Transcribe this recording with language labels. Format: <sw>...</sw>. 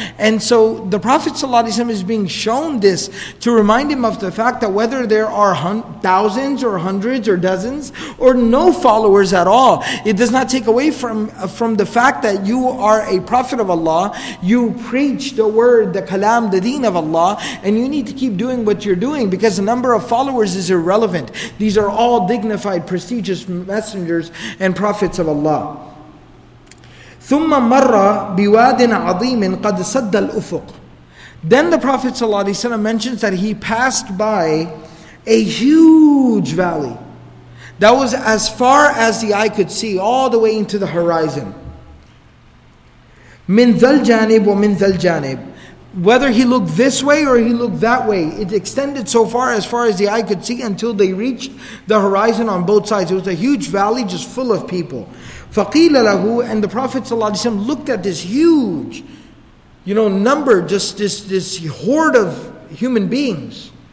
<en>And so the Prophet ﷺ is being shown this to remind him of the fact that whether there are thousands or hundreds or dozens or no followers at all, it does not take away from the fact that you are a prophet of Allah, you preach the word, the kalam, the deen of Allah, and you need to keep doing what you're doing, because the number of followers is irrelevant. These are all dignified, prestigious messengers and prophets of Allah.</en> <ar>ثم مر بواد عظيم قد سد الأفق.</ar> <en>Then the Prophet ﷺ mentions that he passed by a huge valley that was as far as the eye could see, all the way into the horizon.</en> <ar>من ذا الجانب ومن ذا الجانب.</ar> <en>Whether he looked this way or he looked that way, it extended so far as the eye could see, until they reached the horizon on both sides. It was a huge valley just full of people.</en> <ar>فَقِيلَ لَهُ,</ar> <en>and the Prophet ﷺ looked at this huge, you know, number, just this horde of human beings.</en>